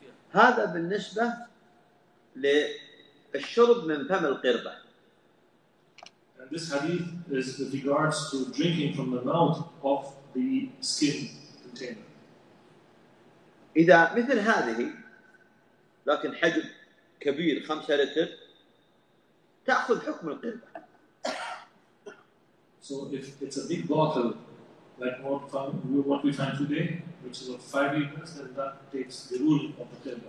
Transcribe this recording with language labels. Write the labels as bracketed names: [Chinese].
[Arabic] هذا بالنسبة للشرب من فم القربة. [English] This hadith is with regards to drinking from the mouth of the skin container. [Arabic] إذا مثل هذه لكن حجم كبير 5 لتر تأخذ حكم القربة. [English] So if it's a big bottle like what we find today, which is of 5 liters, then that takes the rule of the table.